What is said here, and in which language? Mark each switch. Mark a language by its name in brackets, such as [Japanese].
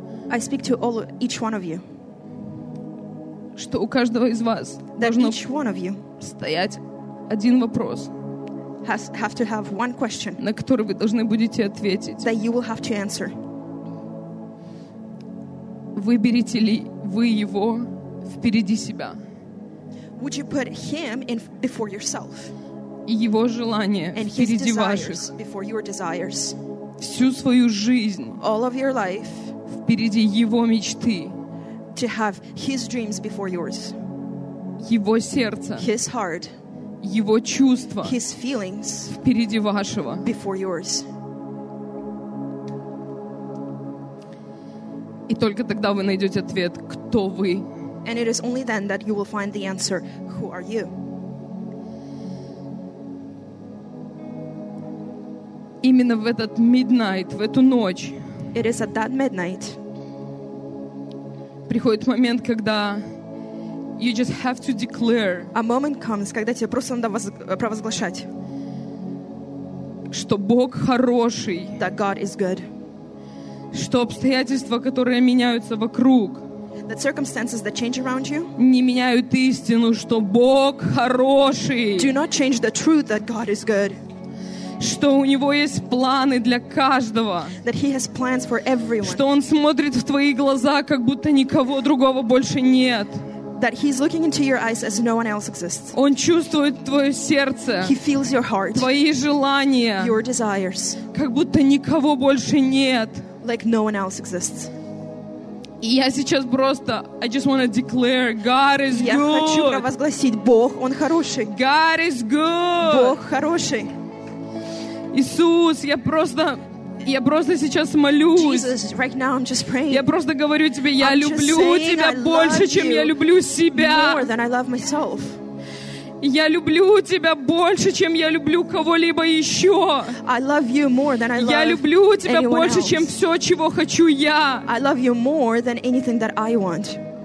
[English] I speak to all, each one of you, [Russian] что у каждого из вас должно стоять один вопрос, [English] have to have one question, [Russian] на который вы должны будете ответить. [English] That you will have to answer. [Russian] Выберете ли вы его впереди себя? [English] Would you put him in before yourself? [Russian] Его желание [English] and [Russian] впереди ваших. Всю свою жизнь [English] all of your life, [Russian] впереди его мечты. [English] To have his dreams before yours. [Russian] Его сердце. [English] His heart. [Russian] Его чувства. [English] His feelings. [Russian] Впереди вашего. [English] Before yours. [Russian] И только тогда вы найдете ответ, кто вы. [English] And it is only then that you will find the answer, who are you? [Russian] Именно в этот midnight, в эту ночь. [English] It is at that midnight. [Russian] Приходит момент, когда [English] you just have to declare, a moment comes, [Russian] когда тебе просто надо провозглашать, что Бог хороший, [English] that God is good, [Russian] что обстоятельства, которые меняются вокруг, [English] that circumstances that change around you, [Russian] не меняют истину, что Бог хороший, [English] do not change the truth that God is good, [Russian] что у него есть планы для каждого. [English] That he has plans for everyone. [Russian] Что он смотрит в твои глаза, как будто никого другого больше нет. [English] That he's looking into your eyes as no one else exists. [Russian] Он чувствует твое сердце. [English] He feels your heart. [Russian] Твои желания. [English] Your desires. [Russian] Как будто никого больше нет. [English] Like no one else exists. [Russian] И я сейчас просто [English] I just want to declare God is [Russian] я [English] good. [Russian] Я хочу провозгласить, Бог, он хороший. [English] God is good. [Russian] Бог хороший. Иисус, я просто Я просто сейчас молюсь. [English] Jesus, right now I'm just praying. [Russian] Я просто говорю тебе, я [English] I'm [Russian] люблю тебя [English] I [Russian] больше, чем я люблю себя. [English] More than I love myself. [Russian] Я люблю тебя больше, чем я люблю кого-либо еще. [English] I love you more than I love [Russian] я люблю тебя больше, [English] anyone else. [Russian] Чем все, чего хочу я. [English] I love you more than anything that I want.